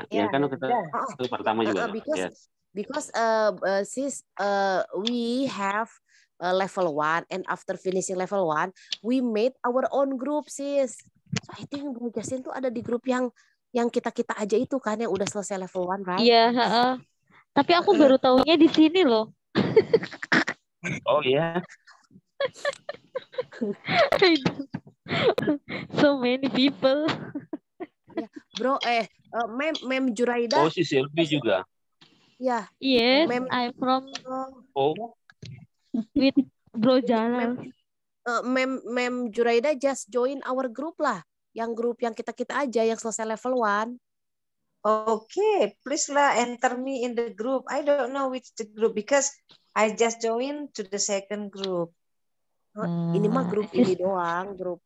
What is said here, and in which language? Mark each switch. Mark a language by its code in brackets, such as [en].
[id] Yeah. Ya kan kita itu pertama juga. [en] Because we have level 1 and after finishing level 1, we made our own group, sis. So I think [id] Bro Justin tuh ada di grup yang kita aja itu kan yang udah selesai level 1, [en] right? [id] Iya, heeh. Tapi aku baru taunya di sini loh. Oh iya. [en] Yeah. So many people. Bro Mem Juraida. [id] Oh, si Selvi juga. Ya. [en] Yeah. Yes, Mem, I'm from with Bro Jana. [id] Mem Juraida [en] just join our group lah. [id] Yang grup yang kita aja yang selesai level 1. [en] Okay, please lah enter me in the group. I don't know which the group because I just join to the second group. [id] Ini mah grup ini doang, grup.